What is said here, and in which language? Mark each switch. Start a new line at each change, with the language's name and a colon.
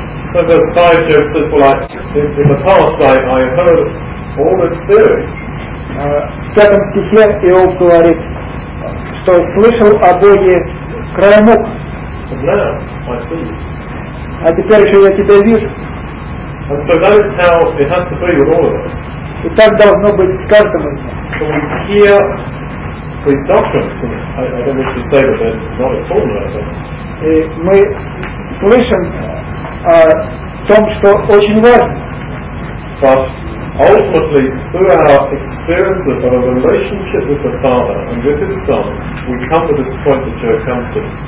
English: So verse 5, Job says, well, in the past I heard all this theory.
Russian: В пятом стихе Иов говорит, что слышал о Боге краем уха.
English: Now I see you.
Russian: А теперь еще я тебя вижу.
English: And so that is how it has to be with all of us.
Russian: И так должно быть с каждым из нас.
English: So we hear these doctrines, and I don't want to say that they're not important, but...
Russian: И мы слышим о том, что очень важно.
English: But ultimately, through our experience of our relationship with the Father and with His Son, we come to this point that Job comes to.